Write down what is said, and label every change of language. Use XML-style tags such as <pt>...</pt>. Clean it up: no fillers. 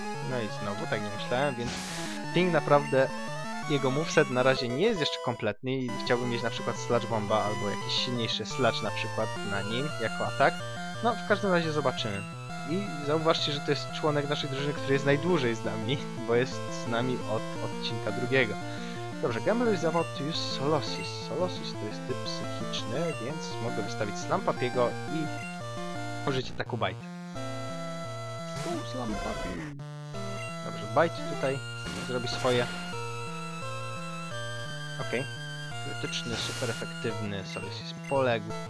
<pl>No i znowu, tak nie myślałem, więc Kling naprawdę, jego moveset na razie nie jest jeszcze kompletny i chciałbym mieć na przykład Sludge Bomba albo jakiś silniejszy Sludge na przykład na nim jako atak. No, w każdym razie zobaczymy. I zauważcie, że to jest członek naszej drużyny, który jest najdłużej z nami, bo jest z nami od odcinka drugiego.</pl> <en>Dobrze, Gambler is about to use Solossus.</en> <pl>Solossus to jest typ psychiczny, więc mogę wystawić Slampapiego i użyć ataku Bite. Slampapi. Dobrze, Bite tutaj zrobi swoje. Okej. Okay. Krytyczny, super efektywny Solossus poległ.</pl>